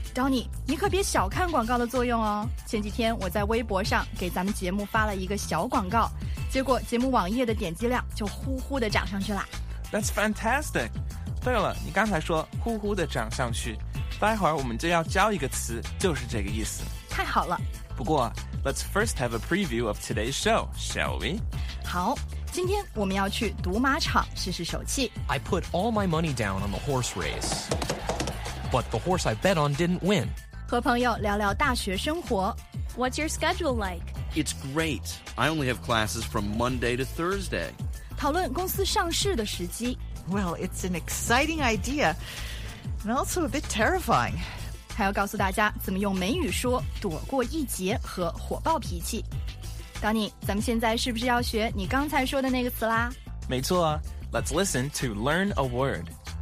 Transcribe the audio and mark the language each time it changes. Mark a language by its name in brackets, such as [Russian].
[Chinese] Donny， 你可别小看广告的作用哦。前几天我在微博上给咱们节目发了一个小广告，结果节目网页的点击量就呼呼的涨上去了。 [English] That's fantastic。 [Chinese] 对了，你刚才说呼呼的涨上去，待会儿我们就要教一个词，就是这个意思。太好了。 [English] 不过，Let's first have a preview of today's show, shall we? [Chinese] 好，今天我们要去赌马场试试手气。 [English] I put all my money down on the horse race, but the horse I bet on didn't win. [Chinese] 和朋友聊聊大学生活。 [English] What's your schedule like? It's great. I only have classes from Monday to Thursday. [Chinese] 讨论公司上市的时机。 [English] Well, it's an exciting idea, and also a bit terrifying. [Chinese] 还要告诉大家怎么用美语说躲过一劫和火爆脾气。 Donny， 咱们现在是不是要学你刚才说的那个词啦？ [English] 没错， Let's listen to learn a word.